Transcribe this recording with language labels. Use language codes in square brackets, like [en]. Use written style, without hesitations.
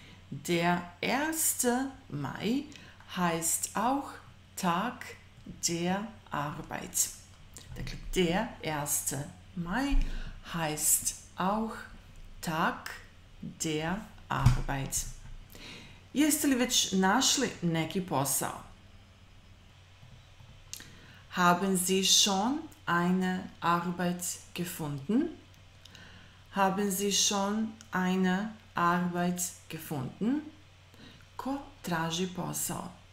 [de] Der 1. Maj heißt auch Tag der Arbeit. [hr] Dakle, [de] der 1. Maj heißt auch Tag der Arbeit. [hr] Jeste li već našli neki posao? [de] Haben Sie schon eine Arbeit gefunden? Haben Sie schon eine Arbeit gefunden? [hr] Ko traži posao?